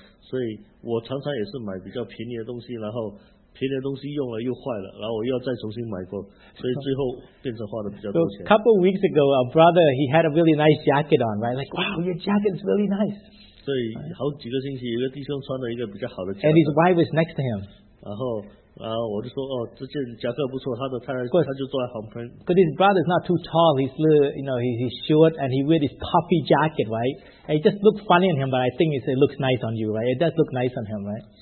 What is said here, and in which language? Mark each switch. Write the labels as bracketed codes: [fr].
[en] Right? [zh] 所以其实这样是好的，因为如果他买一个比较便宜的话，很快了，这些便宜的电器又坏掉了。所以我常常也是买比较便宜的东西，然后 便宜的东西用了又坏了，然后我又要再重新买过，所以最后变成花了比较多钱。 [en] So, a couple of weeks ago, our brother he had a really nice jacket on, right? Like, wow, your jacket is really nice. [zh] 所以好几个星期，一个弟兄穿了一个比较好的夹克。 [en] And his wife was next to him. [zh] 然后我就说，哦，这件夹克不错，他就坐在旁边。 [en] But his brother is not too tall. He's little, you know, he's short, and he wears his puffy jacket, right? It just looks funny on him, but I think it looks nice on you, right? It does look nice on him, right?